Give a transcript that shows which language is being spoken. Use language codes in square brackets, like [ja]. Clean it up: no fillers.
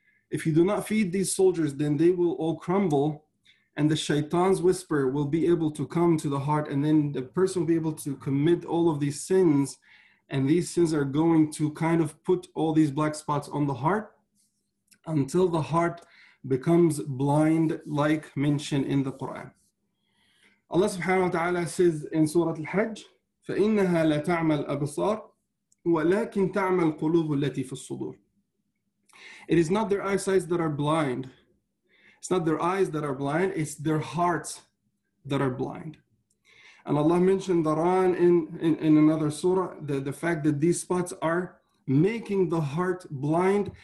[en] If you do not feed these soldiers, then they will all crumble, and the shaitan's whisper will be able to come to the heart, and then the person will be able to commit all of these sins, and these sins are going to kind of put all these black spots on the heart until the heart becomes blind, like mentioned in the Quran. Allah subhanahu wa ta'ala says in Surah Al-Hajj, [ar] فَإِنَّهَا لَتَعْمَى الْأَبْصَارِ وَلَكِنْ تَعْمَى الْقُلُوبُ الَّتِي فِي الصُّدُورِ. [en] It is not their eyesight that are blind. It's not their eyes that are blind. It's their hearts that are blind. And Allah mentioned the Ran in another surah, the fact that these spots are making the heart blind.